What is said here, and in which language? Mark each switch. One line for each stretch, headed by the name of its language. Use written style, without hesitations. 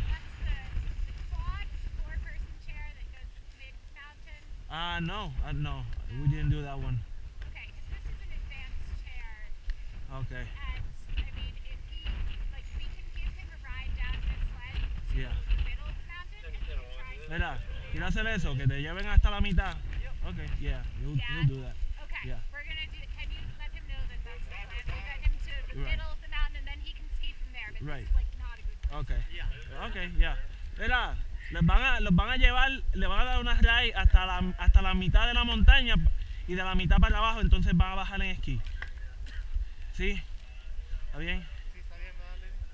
English: That's the quad four-person chair that goes mid-mountain. No, we didn't do that one. Okay, because this is an advanced chair. Okay. And, I mean, if he, like, we can give him a ride down the sled to the middle of the mountain and he can try.
Spanish: Mira, quiero hacer eso, que te lleven hasta la mitad.
English: Yep. Okay, you'll do that. Okay, yeah. We're going to do, can you let him know that that's the plan? We'll get him to the middle of the mountain and then he can ski from there, but this is, like, not a good place. Okay. Yeah. Okay, yeah.
Spanish: Mira. Los van a llevar, le van a dar una ride hasta la mitad de la montaña y de la mitad para abajo, entonces van a bajar en esquí. ¿Sí? ¿Está bien? Sí, está bien, dale.